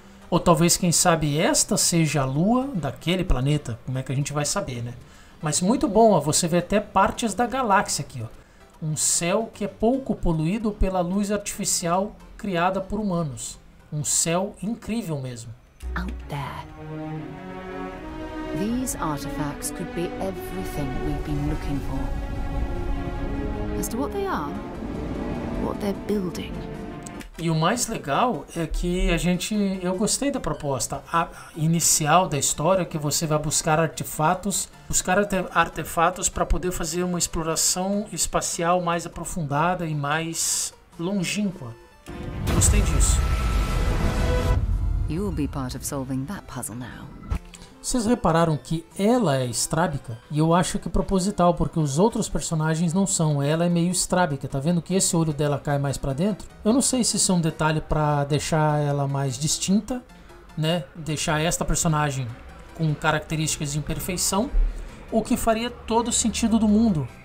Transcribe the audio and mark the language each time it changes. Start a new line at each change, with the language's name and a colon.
Portuguese: Ou talvez, quem sabe, esta seja a lua daquele planeta. Como é que a gente vai saber, né? Mas muito bom, ó, você vê até partes da galáxia aqui. Ó. Um céu que é pouco poluído pela luz artificial criada por humanos. Um céu incrível mesmo.
English: Out there. These artifacts could be everything we've been looking for. As to what they are, what they're building.
Portuguese: E o mais legal é que eu gostei da proposta inicial da história, que você vai buscar artefatos para poder fazer uma exploração espacial mais aprofundada e mais longínqua. Gostei disso.
English: You'll be part of solving that puzzle now.
Portuguese: Vocês repararam que ela é estrábica? E eu acho que é proposital, porque os outros personagens não são. Ela é meio estrábica, tá vendo que esse olho dela cai mais pra dentro? Eu não sei se isso é um detalhe pra deixar ela mais distinta, né? Deixar esta personagem com características de imperfeição, o que faria todo sentido do mundo.